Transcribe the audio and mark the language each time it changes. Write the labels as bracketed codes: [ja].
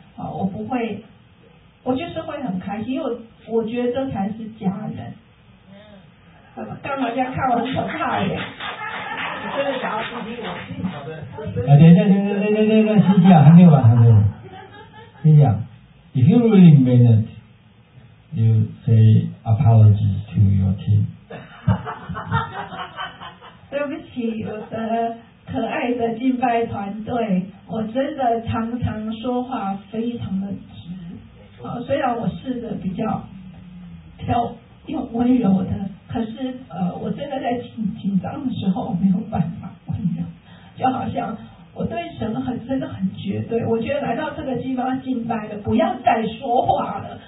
[zh] 好，我不会，我就是会很开心，因为我觉得这才是家人。干嘛这样看我很可怕耶？你真的想要听听我？好的。等，谢谢啊，还没有完，还没有。谢谢啊。 [en] If you really mean it, you say apologies to your team. [zh] 对不起，我的可爱的敬拜团队，我真的常常说话非常的直。虽然我试着比较用温柔的可是我真的在紧张的时候没有办法关掉，就好像我对神很真的很绝对，我觉得来到这个地方敬拜了，不要再说话了。